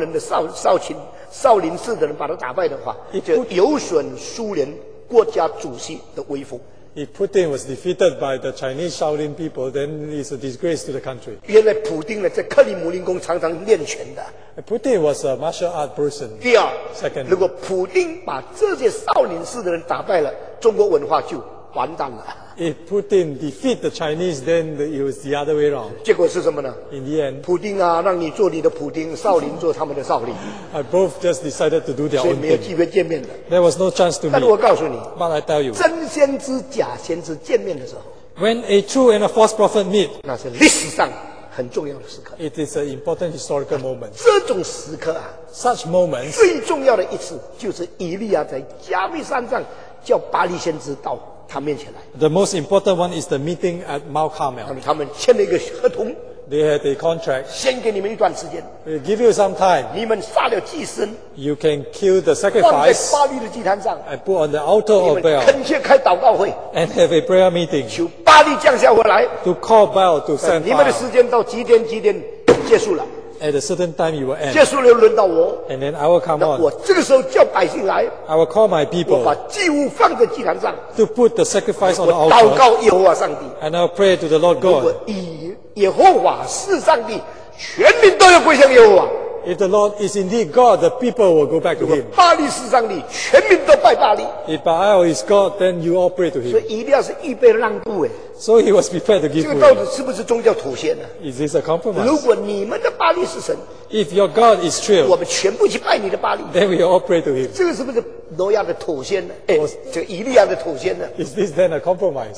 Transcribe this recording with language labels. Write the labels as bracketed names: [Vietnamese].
[Chinese] 如果普京被中国那些少年人的少林寺的人把他打败的话, 就有损苏联国家主席的威风。 [English] If Putin was defeated by the Chinese Shaolin people, then it's a disgrace to the country. [Chinese] 原来普丁呢在克里姆林宫常常练拳的。 [English] Putin was a martial art person. [Chinese] 第二, [English] Secondly, [Chinese] 如果普丁把这些少林寺的人打败了，中国文化就完蛋了。 [English] If Putin defeat the Chinese, then it was the other way around. [Chinese] 结果是什么呢? [English] In the end, [Chinese] 普丁啊, 让你做你的普丁, 少林做他们的少林。 [English] Both just decided to do their own thing. [Chinese] 所以没有机会见面了。 [English] There was no chance to meet. [Chinese] 但我告诉你, [English] but I tell you, [Chinese] 真先知假先知见面的时候, [English] when a true and a false prophet meet, [Chinese] 那是历史上 很重要的时刻, [English] it is an important historical moment. [Chinese] 这种时刻啊, [English] such moments, [Chinese] 最重要的一次, 就是以利亚在加密山上叫巴利先知到他面前来。 [English] The most important one is the meeting at Mount Carmel. [Chinese] 他们签了一个合同, [English] they had a contract. [Chinese] 先给你们一段时间, [English] we'll give you some time. [Chinese] 你们杀了祭牲, [English] you can kill the sacrifice, [Chinese] 放在巴利的祭坛上, [English] and put on the altar of Baal. [Chinese] 恳切开祷告会, [English] and have a prayer meeting. [Chinese] 求巴利降下火来, [English] to call Baal to send fire. [Chinese] 你们的时间到几点几点结束了, [English] at a certain time you will end. [Chinese] 结束了轮到我, [English] and then I will come on. [Chinese] 我这个时候叫百姓来, [English] I will call my people. [Chinese] 我把祭物放在祭坛上, [English] to put the sacrifice on the altar. [Chinese] 我祷告耶和华上帝, [English] and I will pray to the Lord God. [Chinese] 耶和华是上帝, 全民都要归向耶和华。 [English] If the Lord is indeed God, the people will go back to him. [Chinese] 巴利是上帝, 全民都拜巴利。 [English] If Baal is God, then you all pray to him. [Chinese] 所以一定要是预备让步, [English] so he was prepared to give [Chinese] 这个到底是不是宗教妥协呢? [English] Is this a compromise? [Chinese] 如果你们的巴利是神, [English] if your God is true, [Chinese] 我们全部去拜你的巴利, [English] then we all pray to him. [Chinese] 这个是不是挪亚的妥协呢? 这个以利亚的妥协呢? [English] Is this then a compromise?